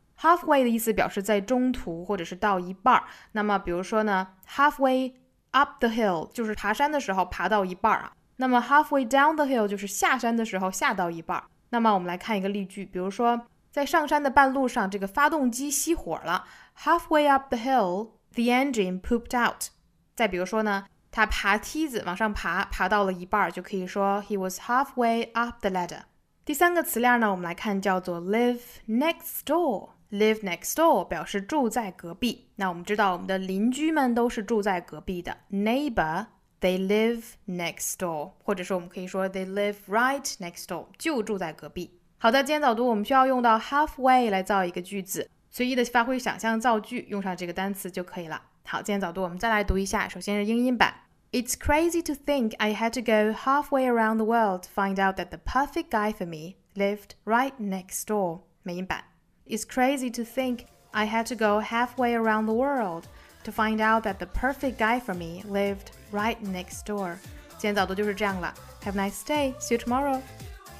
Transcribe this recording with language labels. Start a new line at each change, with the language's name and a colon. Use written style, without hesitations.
Chinese: halfway 的意思表示在中途或者是到一半。那么比如说呢
English: halfway up the hill,
Chinese: 就是爬山的时候爬到一半啊。那么
English: halfway down the hill,
Chinese: 就是下山的时候下到一半。那么我们来看一个例句，比如说在上山的半路上这个发动机熄火了。
English: halfway up the hill, the engine pooped out.
Chinese: 再比如说呢他爬梯子往上爬，爬到了一半就可以说
English: He was halfway up the ladder.
Chinese: 第三个词量呢我们来看叫做 live next door.
English: Live next door
Chinese: 表示住在隔壁。那我们知道我们的邻居们都是住在隔壁的。
English: Neighbor, they live next door.
Chinese: 或者说我们可以说
English: they live right next door,
Chinese: 就住在隔壁。好的，今天早读我们需要用到 halfway 来造一个句子。随意的发挥想象造句，用上这个单词就可以了。好，今天早读我们再来读一下，首先是英音版。
English: It's crazy to think I had to go halfway around the world to find out that the perfect guy for me lived right next door.
Chinese: 美音版。
English: It's crazy to think I had to go halfway around the world to find out that the perfect guy for me lived right next door.
Chinese: 今天早读就是这样了。
English: Have a nice day. See you tomorrow.